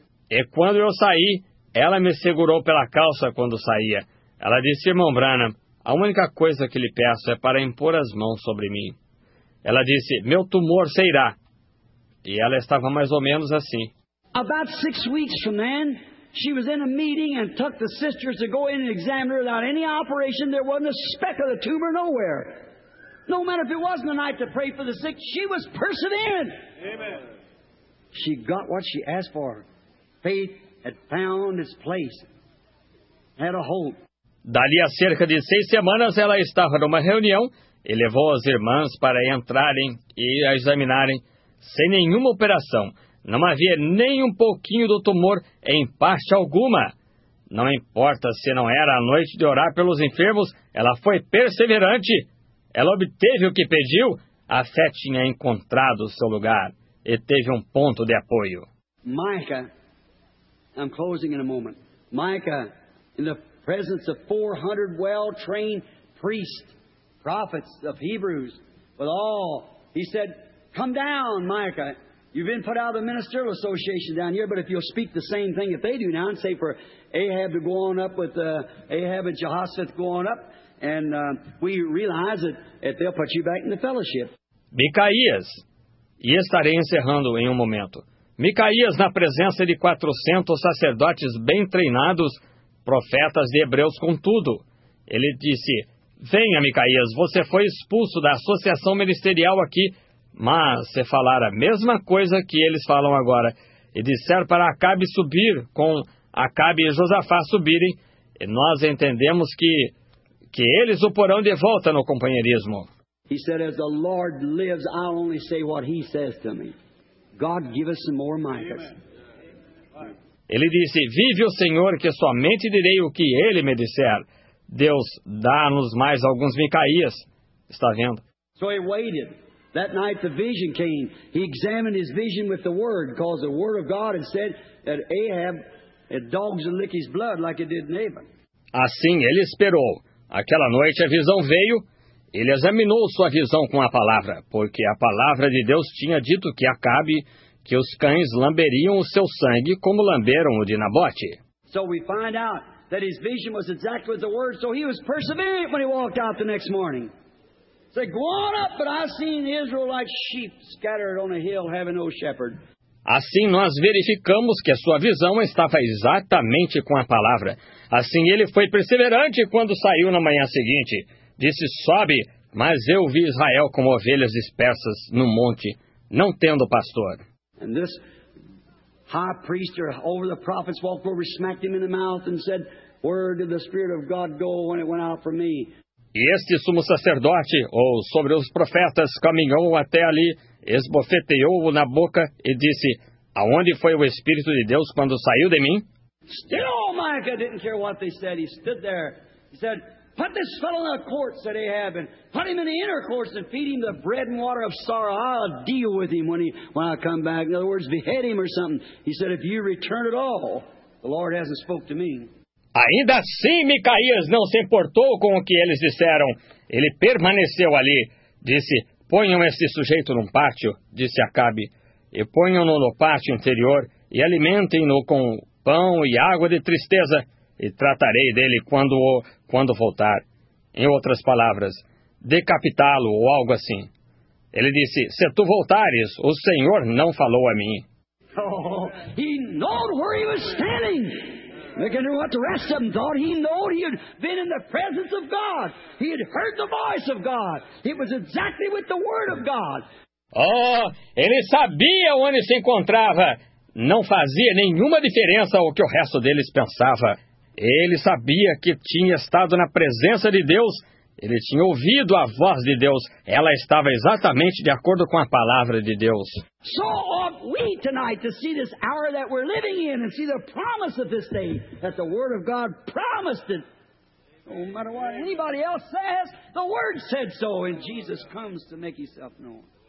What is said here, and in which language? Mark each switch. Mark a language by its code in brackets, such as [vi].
[pt] E quando eu saí, ela me segurou pela calça quando saía. Ela disse, irmão Branham, a única coisa que lhe peço é para impor as mãos sobre mim. Ela disse, meu tumor sairá. E ela estava mais ou menos assim. [en] About 6 weeks from then, she was in a meeting and took the sisters to go in and examine her without any operation. There wasn't a speck of the tumor nowhere. No matter if it wasn't a night to pray for the sick, she was persevering. Amen. She got what she asked for. Faith had found its place. Had a hope. [pt] Dali a cerca de 6 semanas, ela estava numa reunião. E levou as irmãs para entrarem e a examinarem, sem nenhuma operação. Não havia nem um pouquinho do tumor em parte alguma. Não importa se não era a noite de orar pelos enfermos, ela foi perseverante. Ela obteve o que pediu. A fé tinha encontrado o seu lugar e teve um ponto de apoio. [en] Micah, I'm closing in a moment. Micah, in the presence of 400 well-trained priests, prophets of Hebrews, with all, he said, come down, Micah, You've been put out of the ministerial association down here, but if you'll speak the same thing that they do now and say for Ahab to go on up with Ahab and Jehoshaphat going up, and we realize that they'll put you back in the fellowship. [pt] Micaías. E estarei encerrando em um momento. Micaías, na presença de 400 sacerdotes bem treinados, profetas de Hebreus contudo. Ele disse, venha, Micaías, você foi expulso da associação ministerial aqui, mas se falar a mesma coisa que eles falam agora, e disser para Acabe subir, com Acabe e Josafá subirem, e nós entendemos que eles o porão de volta no companheirismo. [en] He said, as the Lord lives, I'll only say what he says to me. God, give us some more Micahs. [pt] Ele disse, vive o Senhor, que somente direi o que ele me disser. Deus, dá-nos mais alguns Micaías. Está vendo? [en] So he waited. That night the vision came. He examined his vision with the word, because the word of God had said that Ahab had dogs and lick his blood like it did Nabal. [pt] Assim ele esperou. Aquela noite a visão veio. Ele examinou sua visão com a palavra, porque a palavra de Deus tinha dito que Acabe, que os cães lamberiam o seu sangue como lamberam o de Nabote. [en] So we find out that his vision was exactly the word, so he was persevering when he walked out the next morning. Say, go on up, but I've seen Israel like sheep scattered on a hill having no shepherd. [pt] Assim nós verificamos que a sua visão estava exatamente com a palavra. Assim ele foi perseverante quando saiu na manhã seguinte. Disse, sobe, mas eu vi Israel como ovelhas dispersas no monte, não tendo pastor. [en] And this high priest or over the prophets walked over, smacked him in the mouth and said, where did the Spirit of God go when it went out from me? [pt] E este sumo sacerdote, ou sobre os profetas, caminhou até ali, esbofeteou-o na boca e disse, aonde foi o Espírito de Deus quando saiu de mim? [en] Still, Micah didn't care what they said. He stood there. He said, put this fellow in the courts that Ahab, and put him in the inner courts and feed him the bread and water of sorrow. I'll deal with him when I come back. In other words, behead him or something. He said, if you return at all, the Lord hasn't spoke to me. [pt] Ainda assim, Micaías não se importou com o que eles disseram. Ele permaneceu ali. Disse, ponham esse sujeito num pátio, disse Acabe, e ponham-no no pátio interior e alimentem-no com pão e água de tristeza. E tratarei dele quando voltar. Em outras palavras, decapitá-lo ou algo assim. Ele disse, se tu voltares, o Senhor não falou a mim. [en] Oh, he knew where he was standing. I wonder what the rest of them thought. He knew he had been in the presence of God. He had heard the voice of God. It was exactly with the word of God. [pt] Oh, ele sabia onde se encontrava. Não fazia nenhuma diferença o que o resto deles pensava. Ele sabia que tinha estado na presença de Deus. Ele tinha ouvido a voz de Deus. Ela estava exatamente de acordo com a palavra de Deus. [en] So ought we tonight to see this hour that we're living in and see the promise of this day that the Word of God promised it. No matter what anybody else says, the Word said so, and Jesus comes to make Himself known.